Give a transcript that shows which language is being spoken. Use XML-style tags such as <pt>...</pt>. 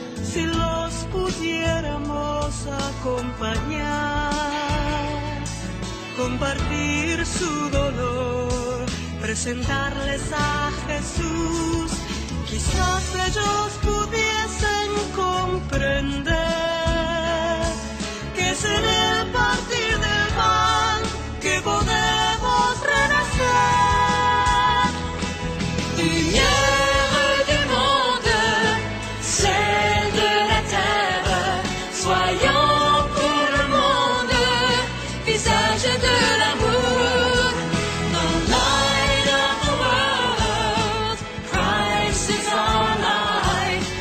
<es>Si los pudiéramos acompañar, compartir su dolor, presentarles a Jesús, quizás ellos pudiesen comprender. En el partir del pan que podemos renacer.</es> <fr>Lumière du monde, celle de la terre, soyons pour le monde visage de l'amour.</fr> <en>The light of the world, Christ is our light.</en>